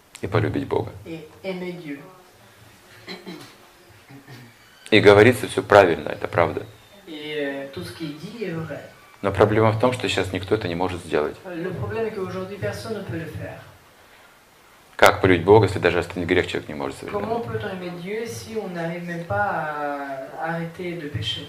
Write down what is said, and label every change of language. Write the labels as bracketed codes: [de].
[fr] et [ru] полюбить Бога. [fr] Et aimer Dieu. [ru] И говорится все правильно, это правда. [fr] Et tout ce qui est dit est vrai. [ru] Но проблема в том, что сейчас никто это не может сделать. [fr] Le problème est qu'aujourd'hui personne ne peut le faire. [ru] Как полюбить Бога, если даже остановить грех человек не может совершить? [fr] Comment peut-on aimer Dieu si on n'arrive même pas à arrêter le péché?